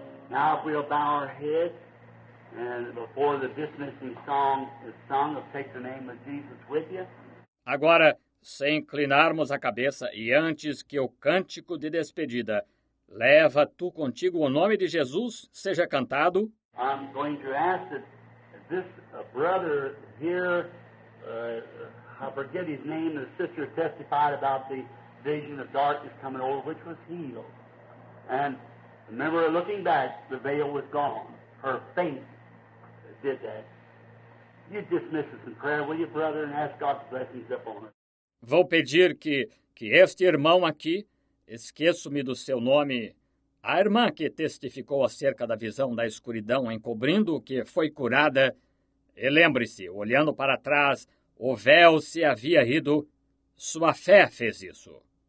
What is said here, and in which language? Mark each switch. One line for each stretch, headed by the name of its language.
English: Now if we'll bow our head and before the dismissing song is sung, I'll take the name of Jesus with you.
Portuguese: Agora, sem inclinarmos a cabeça e antes que o cântico de despedida, leva tu contigo o nome de Jesus, seja cantado.
English: I'm going to ask that this brother here, I forget his name, the sister testified about the vision of darkness coming over, which was healed. And remember, looking back, the veil was gone. Her faith did that. You dismiss us in prayer, will you, brother, and ask God's blessings upon us.
Portuguese: Vou pedir que este irmão aqui, esqueço-me do seu nome, a irmã que testificou acerca da visão da escuridão encobrindo o que foi curada, e lembre-se, olhando para trás, o véu se havia ido, sua fé fez isso.